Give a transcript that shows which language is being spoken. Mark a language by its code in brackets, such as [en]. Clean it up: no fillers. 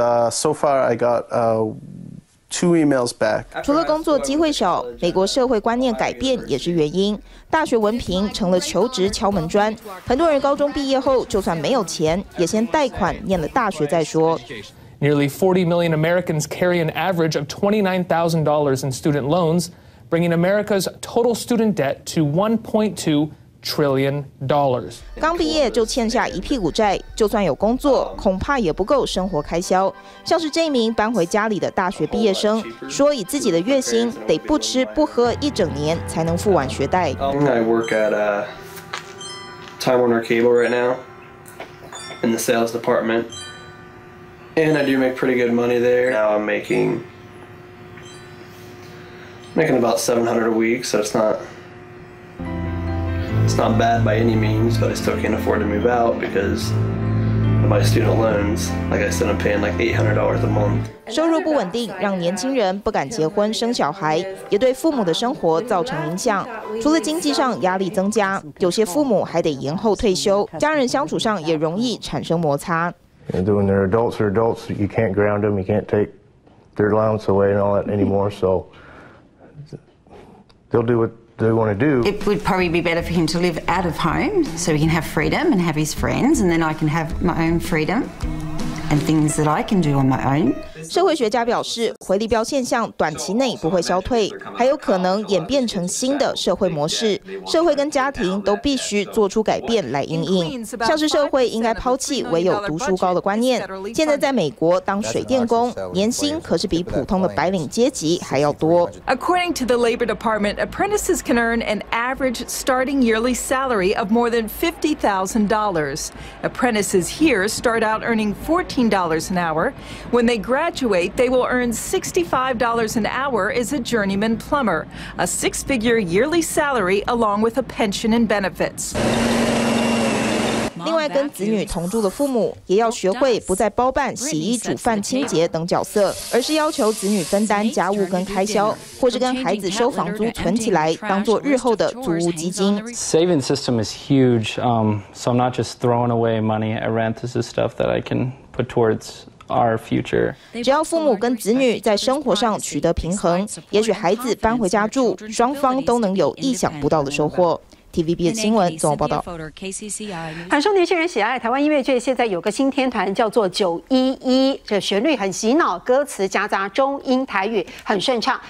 [en] so far I got two emails back. [zh] 除了工作机会少，美国社会观念改变也是原因。大学文凭成了求职敲门砖，很多人高中毕业后就算没有钱，也先贷款念了大学再说。 [en] Nearly 40 million Americans carry an average of $29,000 in student loans, bringing America's total student debt to $1.2 trillion. [zh] 刚毕业就欠下一屁股债，就算有工作，恐怕也不够生活开销。像是这名搬回家里的大学毕业生，说以自己的月薪得不吃不喝一整年才能付完学贷。 [en] I work at a Time Warner Cable right now in the sales department. And I do make pretty good money there. Now I'm making about $700 a week, so it's not bad by any means. But I still can't afford to move out because of my student loans. Like I said, I'm paying like $800 a month. [zh] 收入不稳定，让年轻人不敢结婚生小孩，也对父母的生活造成影响。除了经济上压力增加，有些父母还得延后退休，家人相处上也容易产生摩擦。 [en] And when they're adults, you can't ground them, you can't take their allowance away and all that anymore, so they'll do what they want to do. It would probably be better for him to live out of home, so he can have freedom and have his friends, and then I can have my own freedom and things that I can do on my own. [zh] 社会学家表示，回力镖现象短期内不会消退，还有可能演变成新的社会模式，社会跟家庭都必须做出改变来因应。像是社会应该抛弃唯有读书高的观念，现在在美国当水电工，年薪可是比普通的白领阶级还要多。 [en] According to the Labor Department, apprentices can earn an average starting yearly salary of more than $50,000. Apprentices here start out earning $14 an hour. When they graduate, they will earn $65 an hour as a journeyman plumber, a six-figure yearly salary along with a pension and benefits. [zh] 另外，跟子女同住的父母也要学会不再包办洗衣、煮饭、清洁等角色，而是要求子女分担家务跟开销，或是跟孩子收房租存起来，当做日后的租屋基金。 [en] Saving system is huge, so I'm not just throwing away money at rent. This is stuff that I can put towards. Our future. [zh] 只要父母跟子女在生活上取得平衡，也许孩子搬回家住，双方都能有意想不到的收获。 TVBS 新闻综合报道。很受年轻人喜爱，台湾音乐界现在有个新天团叫做911，这旋律很洗脑，歌词夹杂中英台语，很顺畅。